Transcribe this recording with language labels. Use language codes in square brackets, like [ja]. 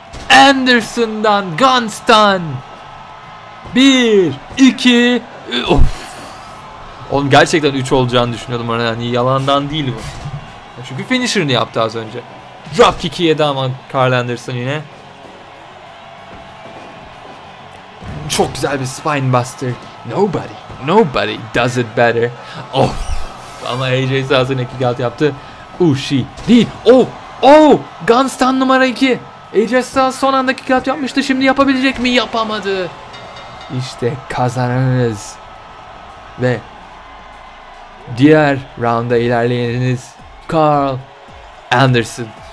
[tr] Anderson'dan Guns'tan. 1, 2, of. Oğlum gerçekten 3 olacağını düşünüyordum. Yani yalandan değil bu. Çünkü finisher'ını yaptı az önce. Dropkick'i yedi ama Karl Anderson yine. Çok güzel bir spinebuster. [en] Nobody, nobody does it better. [tr] Of, ama AJ Styles'ın kick out yaptı. Ushi değil. Oh, oh, Guns'tan numara 2. AJ Styles son anda kick out yapmıştı. Şimdi yapabilecek mi? Yapamadı. İşte kazananınız. Ve diğer rounda ilerleyeniniz Carl Anderson.